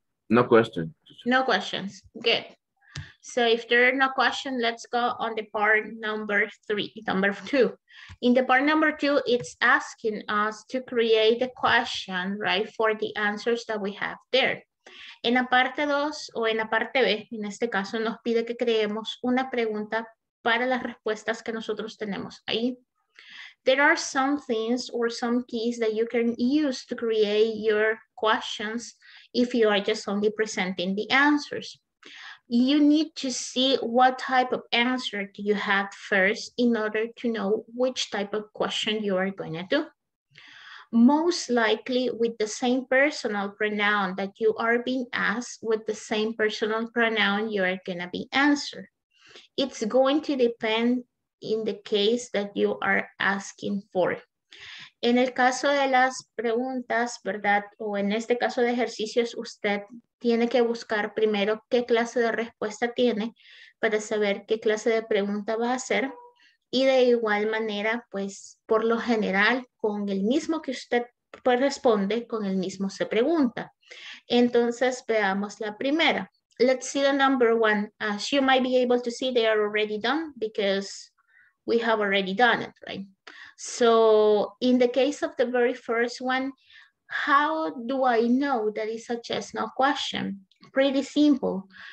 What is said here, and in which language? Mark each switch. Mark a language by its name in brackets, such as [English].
[English] No question. No questions. Good. So if there are no questions, let's go on the part number 3, number 2. In the part number 2, it's asking us to create a question, right, for the answers that we have there. [Spanish] En la parte 2 o en la parte B, en este caso, nos pide que creemos una pregunta para las respuestas que nosotros tenemos ahí. [English] There are some things or some keys that you can use to create your questions if you are just only presenting the answers. You need to see what type of answer do you have first in order to know which type of question you are going to do. Most likely with the same personal pronoun that you are being asked, with the same personal pronoun you are going to be answered. It's going to depend in the case that you are asking for. [Spanish] En el caso de las preguntas, ¿verdad? O en este caso de ejercicios, usted tiene que buscar primero qué clase de respuesta tiene para saber qué clase de pregunta va a hacer. Y de igual manera, pues, por lo general, con el mismo que usted responde, con el mismo se pregunta. Entonces, veamos la primera. [English] Let's see the number 1. As you might be able to see, they are already done because we have already done it, right? So in the case of the very first one, how do I know that it's a yes no question? Pretty simple.